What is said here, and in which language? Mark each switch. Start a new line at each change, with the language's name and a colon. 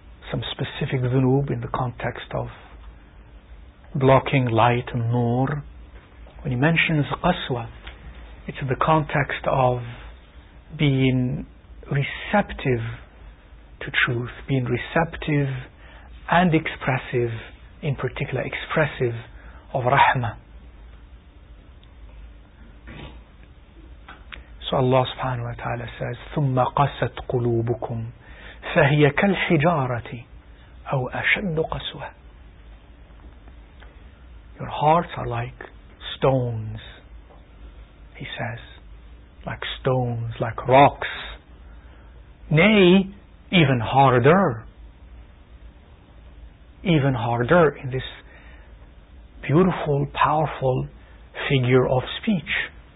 English: some specific dhunub, in the context of blocking light and nur, when he mentions qaswa, it's in the context of being receptive to truth, being receptive and expressive, in particular expressive of rahmah. So Allah subhanahu wa ta'ala says,
Arabic: ثُمَّ قَسَتْ قُلُوبُكُمْ فَهِيَ كَالْحِجَارَةِ أَوْ أَشَدُّ قَسْوَةً.
English: Your hearts are like stones, he says, like stones, like rocks, nay, even harder. Even harder in this beautiful, powerful figure of speech.